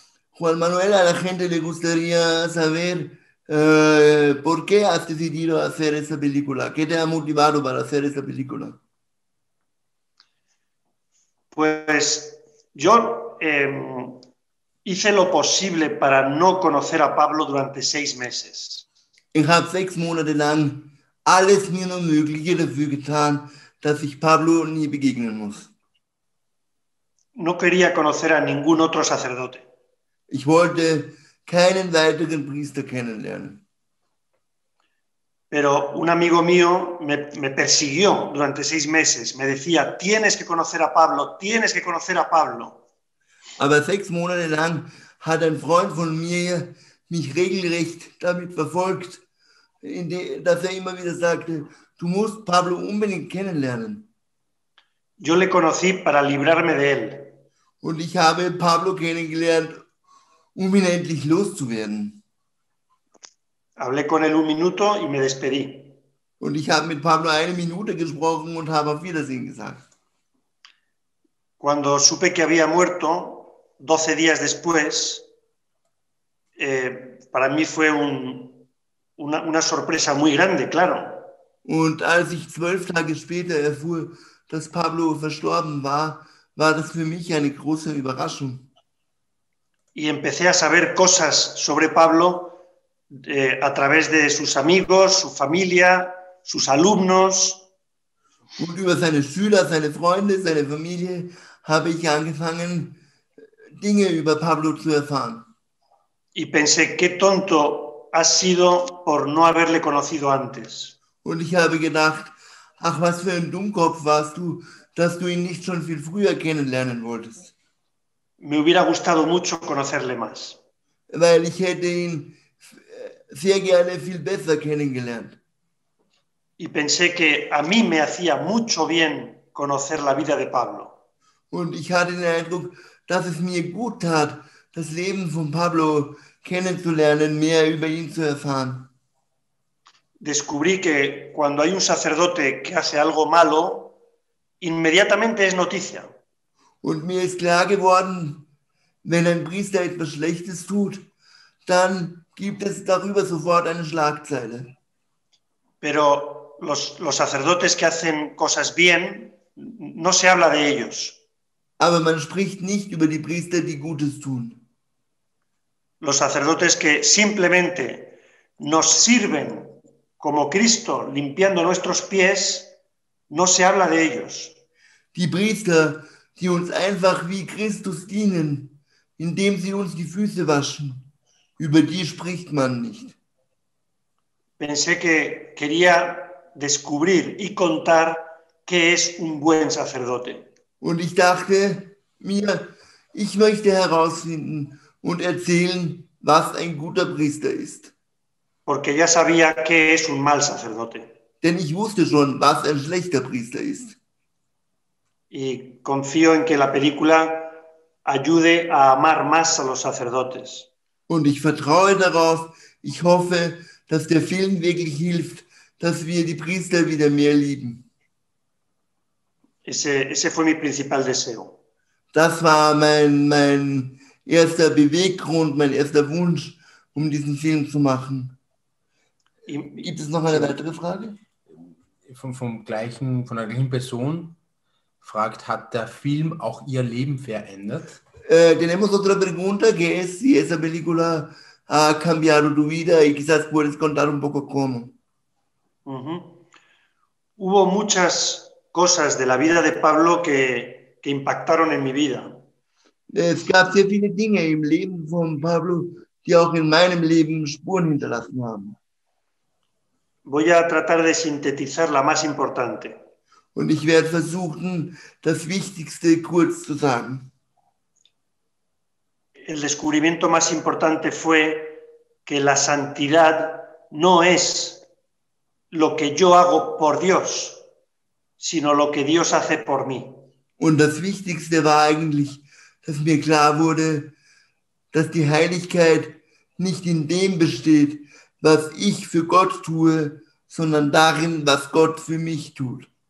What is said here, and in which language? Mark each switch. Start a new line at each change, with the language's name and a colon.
Spanish: Juan Manuel, a la gente le gustaría saber por qué has decidido hacer esa película. ¿Qué te ha motivado para hacer esa película? Pues yo hice lo posible para no conocer a Pablo durante 6 meses.
German: Ich habe 6 Monate lang alles mir nur Mögliche dafür getan, dass ich Pablo nie begegnen muss.
Spanish: No quería conocer a ningún otro sacerdote.
German: Ich wollte keinen weiteren Priester kennenlernen.
Spanish: Pero un amigo mío me persiguió durante 6 meses. Me decía, tienes que conocer a Pablo, tienes que conocer a Pablo.
German: Aber 6 Monate lang hat ein Freund von mir mich regelrecht damit verfolgt, dass er immer wieder sagte, du musst Pablo unbedingt kennenlernen.
Spanish: Yo le conocí para librarme de él.
German: Und ich habe Pablo kennengelernt, um ihn endlich loszuwerden.
Spanish: Hablé con él un minuto y me despedí.
German: Und ich habe mit Pablo 1 Minute gesprochen und habe auf Wiedersehen gesagt.
Spanish: Cuando supe que había muerto, 12 días después, para mí fue una sorpresa muy grande, claro.
German: Und als ich 12 Tage später erfuhr, dass Pablo verstorben war, war das für mich eine große Überraschung.
Spanish: Y empecé a saber cosas sobre Pablo a través de sus amigos, su familia, sus alumnos.
German: Und über seine Schüler, seine Freunde, seine Familie habe ich angefangen, Dinge über Pablo zu erfahren.
Spanish: Y pensé, qué tonto has sido por no haberle conocido antes.
German: Und ich habe gedacht, ach, was für ein Dummkopf warst du, dass du ihn nicht schon viel früher kennenlernen wolltest.
Spanish: Me hubiera gustado mucho conocerle más.
German: Weil ich hätte ihn sehr gerne viel besser kennengelernt.
Spanish: Y pensé que a mí me hacía mucho bien conocer la vida de Pablo.
German: Und ich hatte den Eindruck, dass es mir gut tat, das Leben von Pablo kennenzulernen, mehr über ihn zu erfahren.
Spanish: Descubrí que cuando hay un sacerdote que hace algo malo, inmediatamente es noticia.
German: Und mir ist klar geworden, wenn ein Priester etwas Schlechtes tut, dann gibt es darüber sofort eine Schlagzeile.
Spanish: Pero los sacerdotes que hacen cosas bien, no se habla de ellos.
German: Aber man spricht nicht über die Priester, die Gutes tun.
Spanish: Los sacerdotes que simplemente nos sirven como Cristo limpiando nuestros pies, no se habla de ellos.
German: Die Priester, die uns einfach wie Christus dienen, indem sie uns die Füße waschen, über die spricht man nicht.
Spanish: Pensé que quería descubrir y contar qué es un buen sacerdote.
German: Und ich dachte mir, ich möchte herausfinden und erzählen, was ein guter Priester ist.
Spanish: Porque ya sabía qué es un mal sacerdote.
German: Denn ich wusste schon, was ein schlechter Priester ist.
Spanish: Y confío en que la película ayude a amar más a los sacerdotes.
German: Und ich vertraue darauf, ich hoffe, dass der Film wirklich hilft, dass wir die Priester wieder mehr lieben.
Spanish: Ese fue mi principal deseo.
German: Das war mein erster Beweggrund, mein erster Wunsch, um diesen Film zu machen. Gibt es noch eine weitere Frage? Von der gleichen Person fragt, hat der Film auch ihr Leben verändert?
Spanish: Tenemos otra pregunta que es si esa película ha cambiado tu vida y quizás puedes contar un poco cómo. Hubo muchas cosas de la vida de Pablo que impactaron en mi vida.
German: Es gab sehr viele Dinge im Leben von Pablo, die auch in meinem Leben Spuren hinterlassen haben.
Spanish: Voy a tratar de sintetizar la más importante.
German: Und ich werde versuchen, das Wichtigste kurz zu sagen.
Spanish: El descubrimiento más importante fue que la santidad no es lo que yo hago por Dios, sino lo que Dios hace por mí.
German: Und das Wichtigste war eigentlich, dass mir klar wurde, dass die Heiligkeit nicht in dem besteht, was ich für Gott tue, sondern darin, was Gott für mich tut.